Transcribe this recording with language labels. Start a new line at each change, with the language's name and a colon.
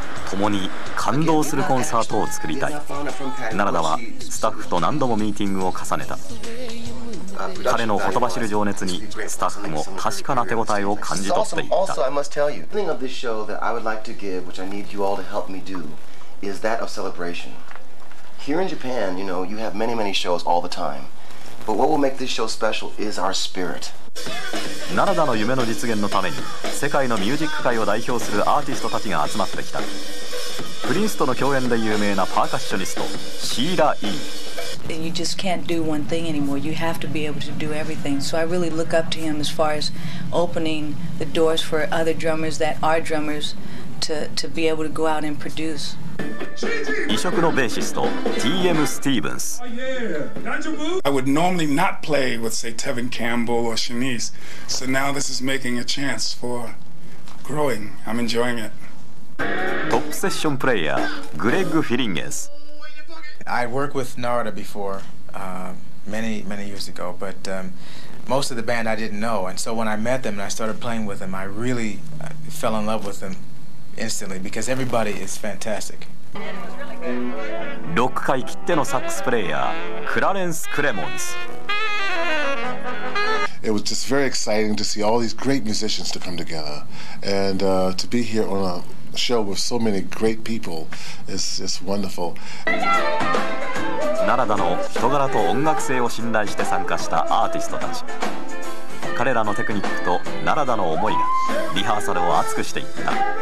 Japanese: 共に感動するコンサートを作りたい。奈良田はスタッフと何度もミーティングを重ねた。彼のほとばしる情熱にスタッフも確かな手応えを感じ取っていった。
English: Also, I must tell you, the ending of this show that I would like to give, which I need you all to help me do, is that of celebration. Here in Japan, you know, you have many, many shows all the time. But what will make this show special is our spirit.
Japanese: ナラダの夢の実現のために世界のミュージック界を代表するアーティストたちが集まってきた。プリンスとの共演で有名なパーカッショニストシーラ・イ
English: ー。 You just can't do one thing anymore. You have to be able to do everything. So I really look up to him as far as opening the doors for other drummers that are drummers to be able to go out and produce.
Japanese: 異色のベーシスト T.M. スティーブンス。
English: I would normally not play with say Tevin Campbell or Shanice. So now this is making a chance for growing. I'm enjoying it.
Japanese: トップセッションプレイヤーグレッグ・フィリンゲス。
English: I worked with Narada before many years ago, but most of the band I didn't know, and so when I met them and I started playing with them, I really fell in love with them instantly because everybody is fantastic
Japanese: ロック界きってのサックスプレイヤークラレンス・クレモンズ。
English: It was just very exciting to see all these great musicians to come together and to be here on a show with so many great people is just wonderful.
Japanese: ナラダの人柄と音楽性を信頼して参加したアーティストたち、彼らのテクニックとナラダの思いがリハーサルを熱くしていった。